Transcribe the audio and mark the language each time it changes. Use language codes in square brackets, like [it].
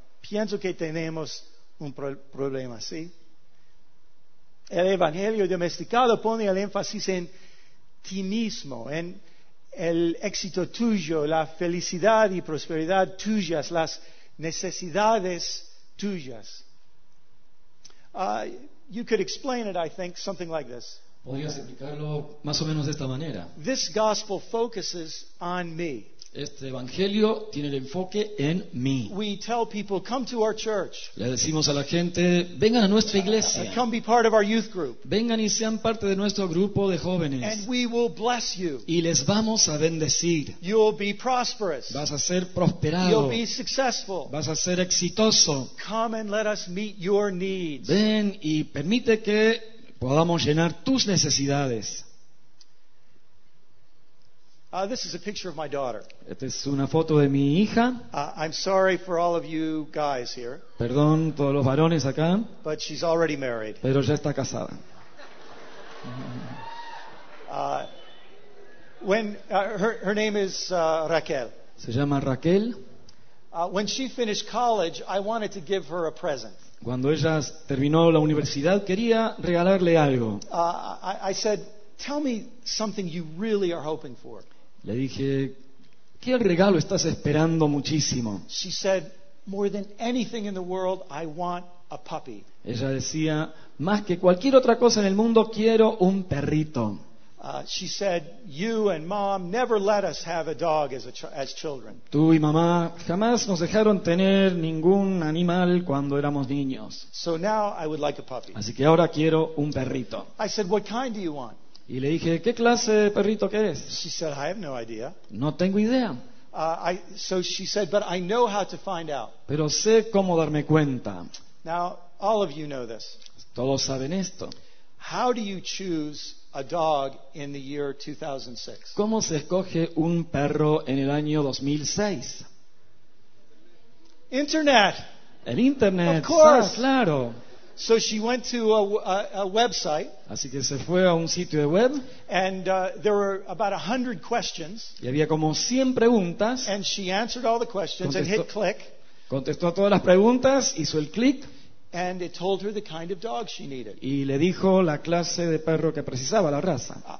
[es] Pienso que tenemos un problema, ¿sí? El evangelio domesticado pone el énfasis en ti mismo, en el éxito tuyo, la felicidad y prosperidad tuyas, las necesidades tuyas. [en] You could explain it, I think, something like this. [es] Podrías explicarlo más o menos de esta manera. [en] This gospel focuses on me. [es] Este evangelio tiene el enfoque en mí. [en] We tell people, come to our church. [es] Le decimos a la gente, vengan a nuestra iglesia. [en] Come be part of our youth group. [es] Vengan y sean parte de nuestro grupo de jóvenes. [en] And we will bless you. [es] Y les vamos a bendecir. [en] You'll be prosperous. [es] Vas a ser prosperado. [en] You'll be successful. [es] Vas a ser exitoso. [en] Come and let us meet your needs. [es] Ven y permite que podamos llenar tus necesidades. [en] This is a picture of my daughter. [es] Esta es una foto de mi hija. [en] I'm sorry for all of you guys here. [es] Perdón todos los varones acá. [en] But she's already married. [es] Pero ya está casada. [en] Her name is Raquel. [es] Se llama Raquel. [en] When she finished college, I wanted to give her a present. [es] Cuando ella terminó la universidad, quería regalarle algo. [en] I said, "Tell me something you really are hoping for." [es] Le dije, ¿qué regalo estás esperando muchísimo? [en] She said, "More than anything in the world, I want a puppy." [es] Ella decía, más que cualquier otra cosa en el mundo, quiero un perrito. [en] She said, "You and mom never let us have a dog as children." [es] Tú y mamá jamás nos dejaron tener ningún animal cuando éramos niños. [en] So now I would like a puppy. [es] Así que ahora quiero un perrito. [en] I said, "What kind do you want?" [es] Y le dije, ¿qué clase de perrito querés? [en] She said, "I have no idea." [es] No tengo idea. [en] So she said, "But I know how to find out." [es] Pero sé cómo darme cuenta. [en] Now, all of you know this. [es] Todos saben esto. [en] How do you choose a dog in the year 2006? [es] ¿Cómo se escoge un perro en el año 2006? [en] Internet. [es] El internet. [en] Of course. [es] Claro. [en] So she went to a website. [es] Así que se fue a un sitio de web. [en] And there were about 100 questions. [es] Y había como 100 preguntas. [en] And she answered all the questions and hit click. [es] Contestó todas las preguntas, hizo el click. [en] And it told her the kind of dog she needed. [es] Y le dijo la clase de perro que precisaba, la raza.